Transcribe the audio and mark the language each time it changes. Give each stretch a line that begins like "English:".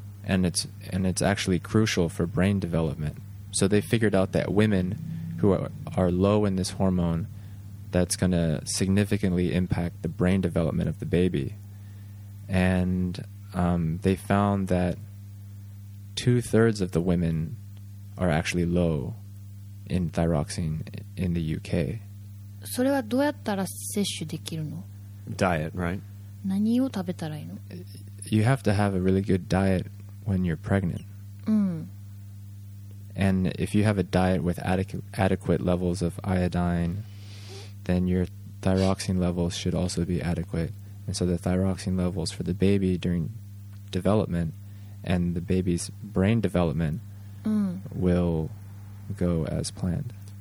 English: And it's actually crucial for brain development. So they figured out that women who are low in this hormone, that's going to significantly impact the brain development of the baby. And they found that 2/3 of the women are actually low in thyroxine in the UK.
Japanese: それはどうやったら摂取できるの?
English: Diet, right?
Japanese: 何を食べたらいいの?
English: You have to have a really good diet when you're pregnant. And if you have a diet with adequate levels of iodine, then your thyroxine levels should also be adequate. And so the thyroxine levels for the baby during development and the baby's brain development will go as planned.